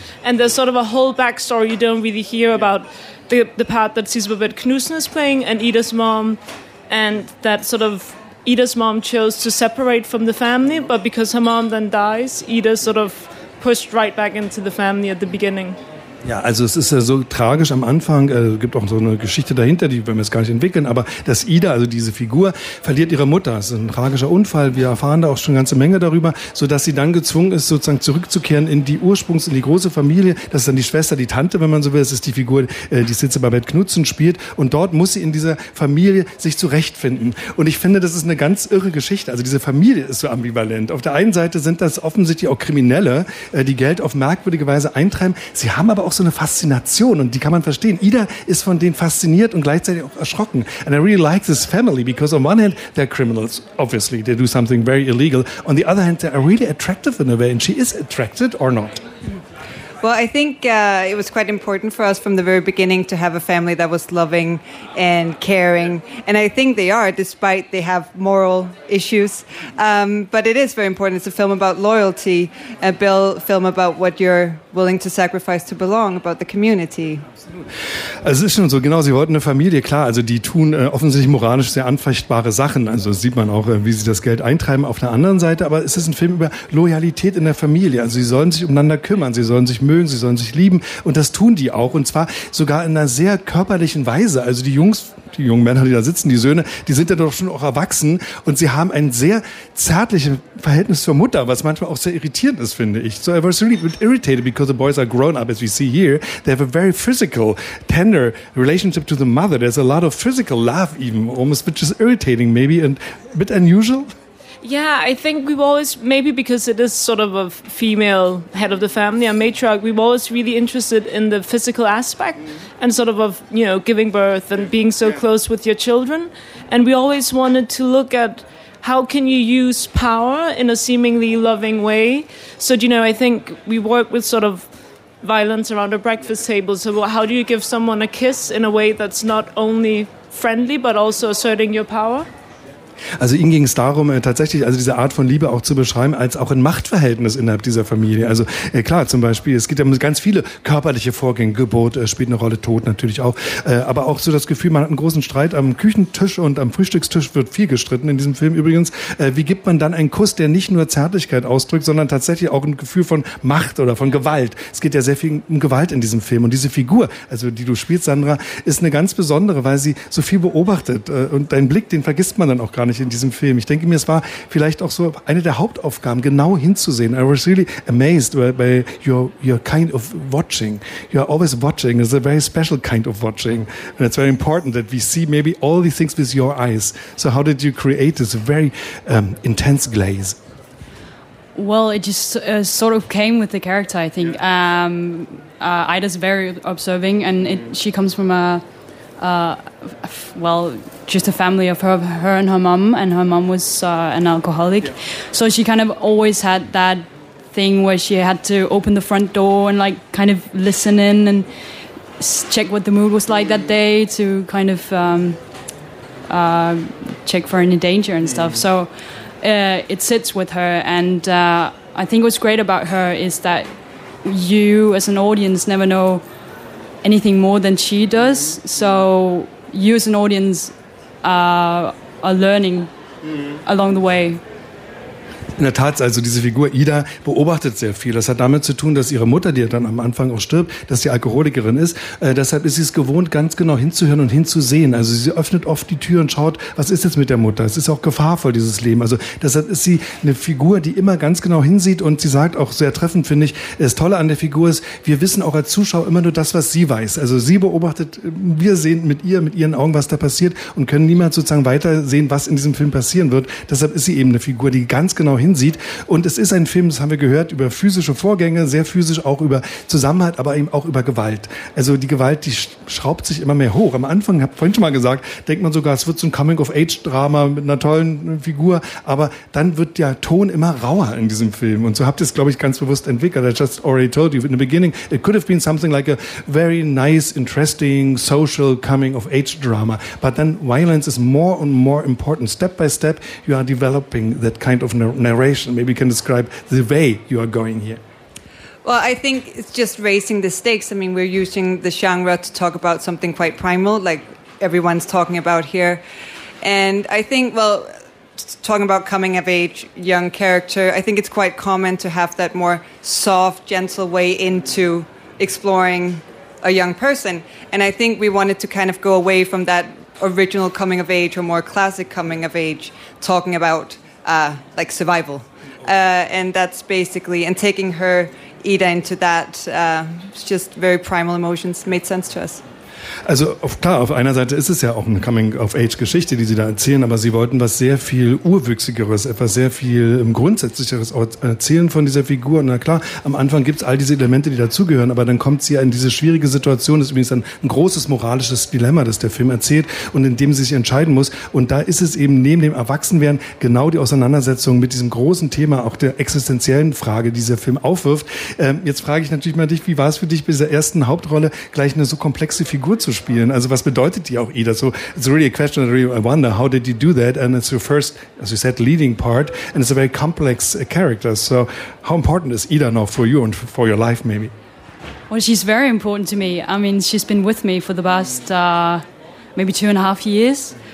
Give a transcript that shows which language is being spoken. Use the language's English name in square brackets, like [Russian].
[English] And there's sort of a whole backstory you don't really hear about the part that Sietze Babette Knudsen is playing and Ida's mom. And that sort of Ida's mom chose to separate from the family, but because her mom then dies, Ida sort of pushed right back into the family at the beginning. [German] Ja, also es ist ja so tragisch am Anfang, es gibt auch so eine Geschichte dahinter, die wollen wir jetzt gar nicht entwickeln, aber dass Ida, also diese Figur, verliert ihre Mutter. Es ist ein tragischer Unfall, wir erfahren da auch schon eine ganze Menge darüber, sodass sie dann gezwungen ist, sozusagen zurückzukehren in die Ursprungs-, in die große Familie. Das ist dann die Schwester, die Tante, wenn man so will, das ist die Figur, die Sietze Babette Knudsen spielt. Und dort muss sie in dieser Familie sich zurechtfinden. Und ich finde, das ist eine ganz irre Geschichte. Also diese Familie ist so ambivalent. Auf der einen Seite sind das offensichtlich auch Kriminelle, die Geld auf merkwürdige Weise eintreiben. Sie haben aber auch so eine Faszination, und die kann man verstehen. Ida ist von denen fasziniert und gleichzeitig auch erschrocken. [English] And I really like this family, because on one hand, they're criminals, obviously. They do something very illegal. On the other hand, they're really attractive in a way, and she is attracted or not. Well, I think it was quite important for us from the very beginning to have a family that was loving and caring. And I think they are, despite they have moral issues. But it is very important. It's a film about loyalty, a film about what you're willing to sacrifice to belong, about the community. [German] Also es ist schon so, genau, sie wollten eine Familie, klar, also die tun offensichtlich moralisch sehr anfechtbare Sachen, also sieht man auch, wie sie das Geld eintreiben auf der anderen Seite, aber es ist ein Film über Loyalität in der Familie, also sie sollen sich umeinander kümmern, sie sollen sich mögen, sie sollen sich lieben, und das tun die auch, und zwar sogar in einer sehr körperlichen Weise, also die Jungs, die jungen Männer, die da sitzen, die Söhne, die sind ja doch schon auch erwachsen, und sie haben ein sehr zärtliches Verhältnis zur Mutter, was manchmal auch sehr irritierend ist, finde ich. [English] So I was really irritated, because the boys are grown up, as we see here, they have a very physical, tender relationship to the mother. There's a lot of physical love, even almost, which is irritating, maybe, and a bit unusual. Yeah, I think we've always, maybe because it is sort of a female head of the family, a matriarch, we've always really interested in the physical aspect and sort of, you know, giving birth and being so close with your children. And we always wanted to look at how can you use power in a seemingly loving way. So, you know, I think we work with sort of violence around a breakfast table. So how do you give someone a kiss in a way that's not only friendly, but also asserting your power? [German] Also ihnen ging es darum, tatsächlich also diese Art von Liebe auch zu beschreiben, als auch ein Machtverhältnis innerhalb dieser Familie. Also klar, zum Beispiel, es geht ja um ganz viele körperliche Vorgänge, Geburt spielt eine Rolle, Tod natürlich auch. Aber auch so das Gefühl, man hat einen großen Streit am Küchentisch und am Frühstückstisch wird viel gestritten in diesem Film übrigens. Wie gibt man dann einen Kuss, der nicht nur Zärtlichkeit ausdrückt, sondern tatsächlich auch ein Gefühl von Macht oder von Gewalt? Es geht ja sehr viel um Gewalt in diesem Film. Und diese Figur, also die du spielst, Sandra, ist eine ganz besondere, weil sie so viel beobachtet. Und dein Blick, den vergisst man dann auch gar nicht. nicht in diesem Film. Ich denke mir, es war vielleicht auch so eine der Hauptaufgaben, genau hinzusehen. [English] I was really amazed by your kind of watching. You are always watching. It's a very special kind of watching. And it's very important that we see maybe all these things with your eyes. So how did you create this very intense glaze? Well, it just sort of came with the character, I think. Yeah. Ida's very observing, and she comes from just a family of her and her mom, and her mom was an alcoholic. Yeah. So she kind of always had that thing where she had to open the front door and, like, kind of listen in and check what the mood was like that day to kind of check for any danger and stuff. So it sits with her, and I think what's great about her is that you as an audience never know anything more than she does. So you as an audience are learning along the way. [German] In der Tat, also diese Figur Ida beobachtet sehr viel. Das hat damit zu tun, dass ihre Mutter, die dann am Anfang auch stirbt, dass sie Alkoholikerin ist. Deshalb ist sie es gewohnt, ganz genau hinzuhören und hinzusehen. Also sie öffnet oft die Tür und schaut, was ist jetzt mit der Mutter? Es ist auch gefahrvoll, dieses Leben. Also deshalb ist sie eine Figur, die immer ganz genau hinsieht, und sie sagt auch sehr treffend, finde ich, das Tolle an der Figur ist, wir wissen auch als Zuschauer immer nur das, was sie weiß. Also sie beobachtet, wir sehen mit ihren Augen, was da passiert, und können niemals sozusagen weitersehen, was in diesem Film passieren wird. Deshalb ist sie eben eine Figur, die ganz genau hinsieht. Und es ist ein Film, das haben wir gehört, über physische Vorgänge, sehr physisch, auch über Zusammenhalt, aber eben auch über Gewalt. Also die Gewalt, die schraubt sich immer mehr hoch. Am Anfang, ich habe vorhin schon mal gesagt, denkt man sogar, es wird so ein Coming-of-Age-Drama mit einer tollen Figur, aber dann wird der Ton immer rauer in diesem Film. Und so habt ihr es, glaube ich, ganz bewusst entwickelt. [English] I just already told you, in the beginning, it could have been something like a very nice, interesting, social Coming-of-Age-Drama. But then violence is more and more important. Step by step, you are developing that kind of narration. Maybe you can describe the way you are going here. Well, I think it's just raising the stakes. I mean, we're using the genre to talk about something quite primal, like everyone's talking about here. And I think, well, talking about coming of age, young character, I think it's quite common to have that more soft, gentle way into exploring a young person. And I think we wanted to kind of go away from that original coming of age, or more classic coming of age, talking about like survival, and that's basically, and taking her Ida into that, it's just very primal emotions, made sense to us. [German] Also klar, auf einer Seite ist es ja auch eine Coming-of-Age-Geschichte, die Sie da erzählen, aber Sie wollten was sehr viel Urwüchsigeres, etwas sehr viel Grundsätzlicheres erzählen von dieser Figur. Na klar, am Anfang gibt es all diese Elemente, die dazugehören, aber dann kommt sie ja in diese schwierige Situation. Das ist übrigens ein großes moralisches Dilemma, das der Film erzählt, und in dem sie sich entscheiden muss. Und da ist es eben neben dem Erwachsenwerden genau die Auseinandersetzung mit diesem großen Thema, auch der existenziellen Frage, die dieser Film aufwirft. Jetzt frage ich natürlich mal dich, wie war es für dich bei dieser ersten Hauptrolle, gleich eine so komplexe Figur zu spielen? Also was bedeutet die auch, Ida? [English] So it's really a question that I wonder, how did you do that? And it's your first, as you said, leading part, and it's a very complex character. So how important is Ida now for you and for your life, maybe? Well, she's very important to me. I mean, she's been with me for the past maybe 2.5 years.